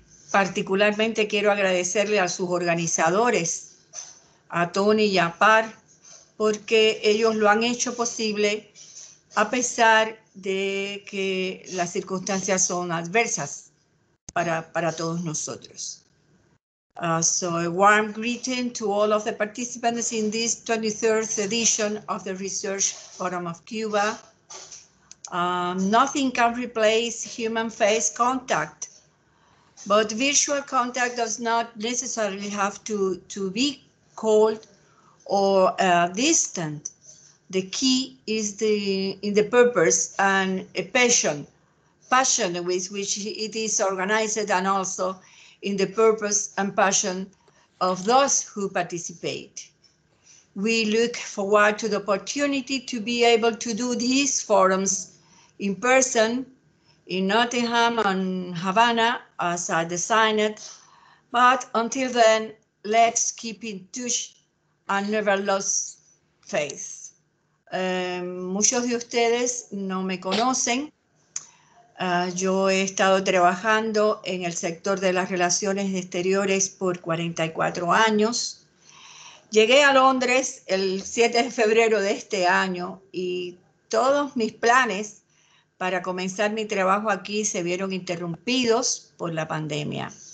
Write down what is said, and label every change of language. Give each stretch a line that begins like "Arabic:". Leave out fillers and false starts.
Spanish: Particularmente quiero agradecerle a sus organizadores, a Tony y a Par, porque ellos lo han hecho posible a pesar de que las circunstancias son adversas para todos nosotros.
English: So a warm greeting to all of the participants in this 23rd edition of the Research Forum of Cuba. Nothing can replace human face contact, but virtual contact does not necessarily have to be cold or distant. The key is in the purpose and a passion with which it is organized, and also in the purpose and passion of those who participate. We look forward to the opportunity to be able to do these forums in person in Nottingham and Havana as I designed it. But until then, let's keep in touch and never lose faith.
Spanish: Muchos de ustedes no me conocen. Yo he estado trabajando en el sector de las relaciones exteriores por 44 años. Llegué a Londres el 7 de febrero de este año y todos mis planes para comenzar mi trabajo aquí se vieron interrumpidos por la pandemia.